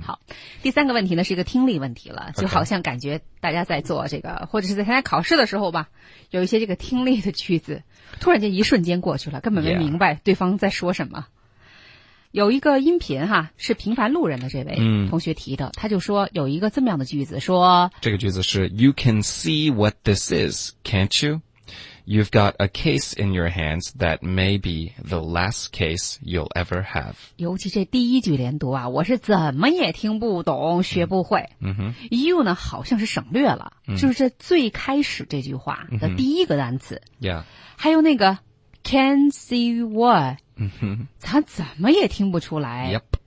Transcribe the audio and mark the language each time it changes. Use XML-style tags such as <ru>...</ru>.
<zh>好，第三个问题呢是一个听力问题了，就好像感觉大家在做这个，或者是在参加考试的时候吧，有一些这个听力的句子，突然间一瞬间过去了，根本没明白对方在说什么。有一个音频哈，是平凡路人的这位同学提的，他就说有一个这么样的句子，说这个句子是</zh> <en>You can see what this is, can't you? You've got a case in your hands that may be the last case you'll ever have.</en> <zh>尤其这第一句连读啊，我是怎么也听不懂，学不会。嗯哼，you 呢好像是省略了，就是这最开始这句话的第一个单词。</zh> <en>Yeah，</en> <zh>还有那个</zh> <en>can see what，</en> <zh>嗯哼，他怎么也听不出来。</zh>